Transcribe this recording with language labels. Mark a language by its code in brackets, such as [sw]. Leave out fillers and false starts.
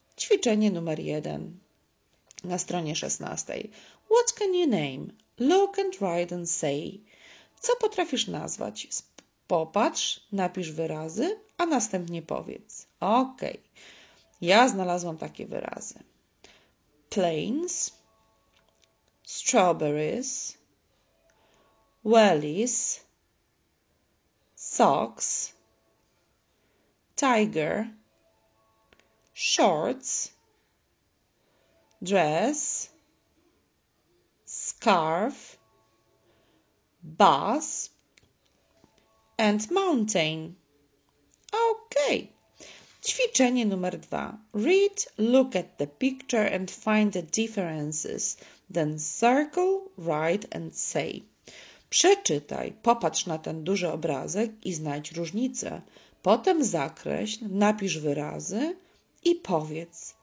[pl] Ćwiczenie numer 1 na stronie 16. [en] What can you name? Look and write and say. [pl] Co potrafisz nazwać? Popatrz, napisz wyrazy, a następnie powiedz. Ok, ja znalazłam takie wyrazy. [en] Plains, strawberries, wellies, socks, tiger, shorts, dress, scarf, bus and mountain. Ok. [pl] Ćwiczenie numer 2. [en] Read, look at the picture and find the differences. Then circle, write and say. [pl] Przeczytaj, popatrz na ten duży obrazek i znajdź różnice. Potem zakreśl, napisz wyrazy i powiedz.